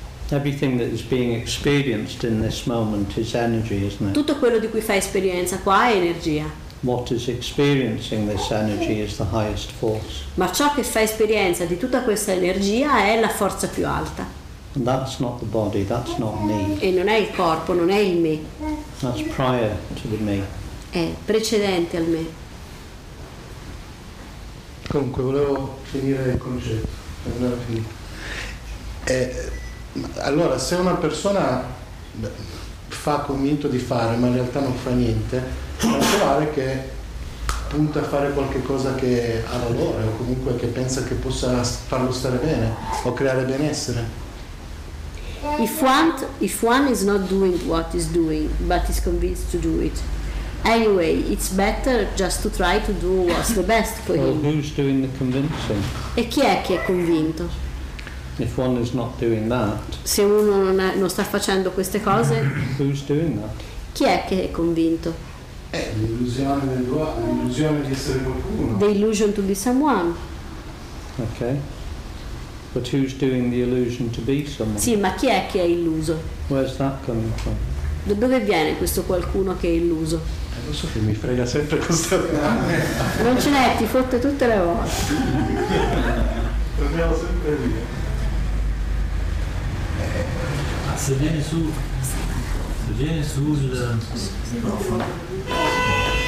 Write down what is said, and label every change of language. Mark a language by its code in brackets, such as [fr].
[en] Everything that is being experienced in this moment is energy, isn't it? [it] Tutto quello di cui fai esperienza qua è energia. [en] What is experiencing this energy is the highest force. [it] Ma ciò che fa esperienza di tutta questa energia è la forza più alta. [en] And that's not the body, that's not me. [it] E non è il corpo, non è il me. [en] That's prior to the me. [it] È precedente al me. Comunque volevo finire il concetto. Allora, se una persona fa convinto di fare, ma in realtà non fa niente, a trovare che punta a fare qualche cosa che ha valore o comunque che pensa che possa farlo stare bene o creare benessere. [en] If one is not doing what is doing but is convinced to do it, anyway, it's better just to try to do what's the best for well, him. Who's doing the convincing? [it] E chi è che è convinto? [en] If one is not doing that. [it] Se uno non sta facendo queste cose. [en] Who's doing that? [it] Chi è che è convinto? L'illusione di essere qualcuno. [en] The illusion to be someone. Okay. But who's doing the illusion to be someone? [it] Sì, ma chi è che è illuso? [en] Where's that coming from? [it] Da dove viene questo qualcuno che è illuso? Lo so che mi frega sempre questa domanda. Non ce n'è, ti fotte tutte le volte. Torniamo sempre lì. Ma se vieni su. Viene sul microfono.